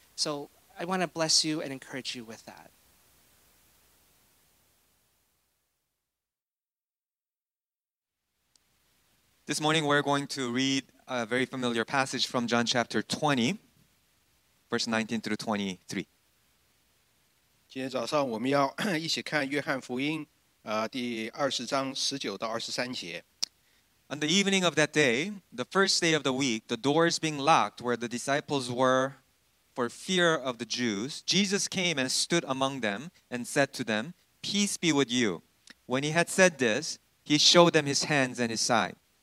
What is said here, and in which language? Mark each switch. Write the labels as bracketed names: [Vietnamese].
[English] So I want to bless you and encourage you with that. This morning we're going to read a very familiar passage from John chapter 20, verse 19 through 23. [Chinese] 今天早上我们要一起看约翰福音第20章19到23节。 [English] On the evening of that day, the first day of the week, the doors being locked where the disciples were for fear of the Jews, Jesus came and stood among them and said to them, "Peace be with you." When he had said this, he showed them his hands and his side.